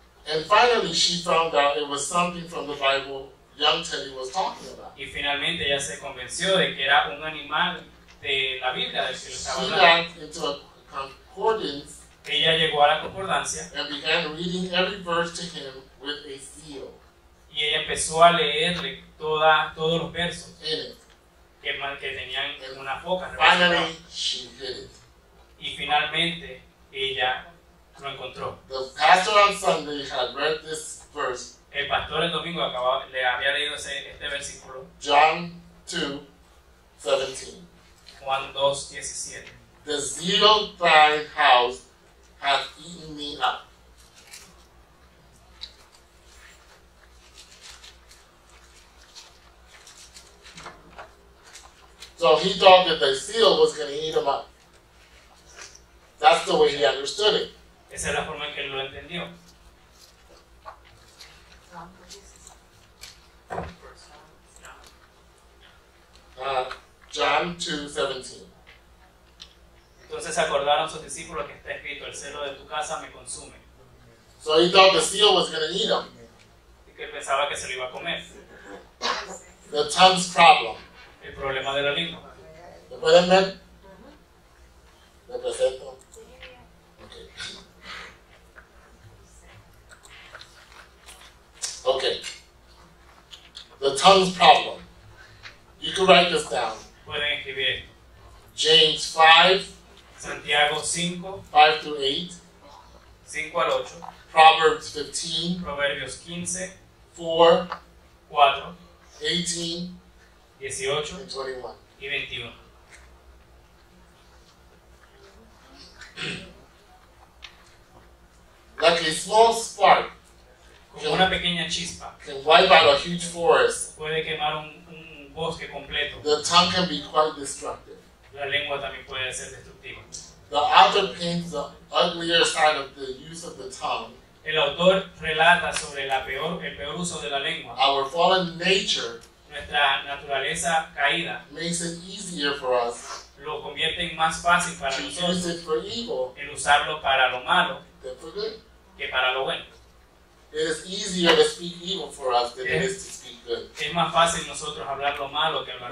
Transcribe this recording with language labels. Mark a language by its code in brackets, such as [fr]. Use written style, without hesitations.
[en] And finally she found out it was something from the Bible young Teddy was talking about. [es] Y finalmente ella se convenció de que era un animal de la Biblia del que estaba hablando. [en] She got into a concordance. [es] Ella llegó a la concordancia. [en] And began reading every verse to him with a seal. [es] Y ella empezó a leerle todos los versos. [en] In it. [es] Que tenían en una foca. [en] Finally, she hit it. [es] Y finalmente, ella lo encontró. [en] The pastor on Sunday had read this verse. [es] El pastor el domingo le había leído este versículo. [en] John 2:17. The zeal of thy house has eaten me up. So he thought that the zeal was going to eat him up. That's the way he understood it. [es] Esa es la forma en que lo entendió. [en] John 2:17. [es] Entonces acordaron sus discípulos que está escrito, el celo de tu casa me consume. [en] So he thought the seal was going to eat him. [es] Y que pensaba que se lo iba a comer. [en] The tongue's problem. [es] El problema de la lengua. ¿Lo pueden ver? ¿Lo presento? [en] Okay. The tongue's problem. You can write this down. [es] Pueden escribir. [en] James 5. [es] Santiago 5. [en] 5 to 8. [es] 5 al 8. [en] Proverbs 15. [es] Proverbios 15. [en] 4. [es] 4. [en] 18. [es] 18. [en] And 21. [es] Y 21. [en] Like a small spark. [es] Como una pequeña chispa. [en] Can wipe out a huge forest. [es] Puede quemar un bosque completo. [en] The tongue can be quite destructive. [es] La lengua también puede ser destructiva. [en] The author paints the uglier side of the use of the tongue. [es] El autor relata sobre el peor uso de la lengua. [en] Our fallen nature. [es] Nuestra naturaleza caída. [en] Makes it easier for us. [es] Lo convierte en más fácil para [en] to [es] nosotros. [en] Use it for evil. [es] El usarlo para lo malo. [en] Than for good. [es] Que para lo bueno. [en] It is easier to speak evil for us than it is to speak good. [es] Es más fácil nosotros hablar lo malo que hablar